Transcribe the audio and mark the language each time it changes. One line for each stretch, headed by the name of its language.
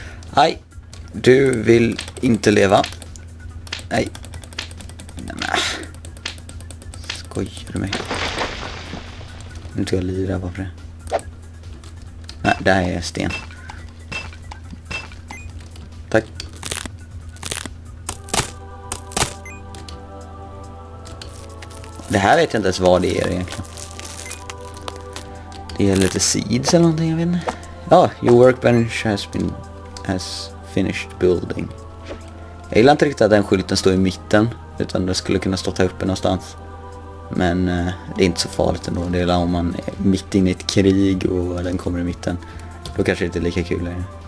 Swedish: Aj! Du vill inte leva. Nej. Nej, nej. Skojar du mig? Nu tar jag lira på det. Nej, där är sten. Tack. Det här vet jag inte ens vad det är egentligen. Det är lite seeds eller någonting, jag vet inte.
English: Ja, oh, your workbench has finished building.
Swedish: Jag gillar inte riktigt att den skylten står i mitten, utan det skulle kunna stå här uppe någonstans. Men det är inte så farligt ändå. Det är om man är mitt in i ett krig och den kommer i mitten. Då kanske det inte är lika kul längre.